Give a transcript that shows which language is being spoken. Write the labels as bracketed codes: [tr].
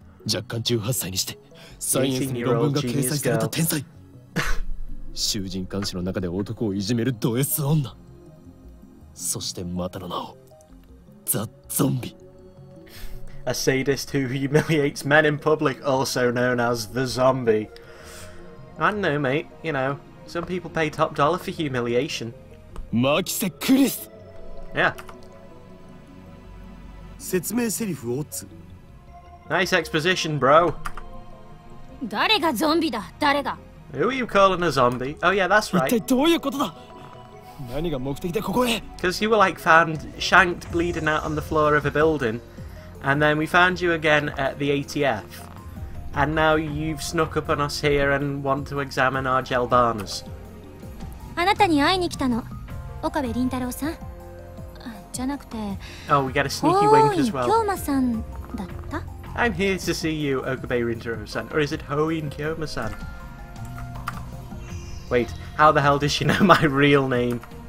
[ja] 18歳にして、サイエンスの論文が掲載された天才。囚人監視の中で男をいじめるド S女。そしてまたの名を、ザ・ゾンビ。A [en] sadist who humiliates men in public, also known as the zombie. I know, mate. You know, some people pay top dollar for humiliation. [ja] マキセクリス! [en] Yeah. [ja] 説明セリフを打つ。 [en] Nice exposition, bro. [ja] 誰がゾンビだ、誰が? [en] Who are you calling a zombie? Oh yeah, that's right. [ja] 一体どういうことだ?何が目的でここへ? [en] Because you were like found shanked bleeding out on the floor of a building, and then we found you again at the ATF. And now you've snuck up on us here and want to examine our gel barners. [ja] あなたに会いに来たの、岡部凛太郎さん。 [en] Oh, we get a sneaky wink as well. [ja] Kyoma-san,だった? [en] I'm here to see you, Okabe Rintaro-san. Or is it Hoin Kyoma-san? Wait, how the hell does she know my real name?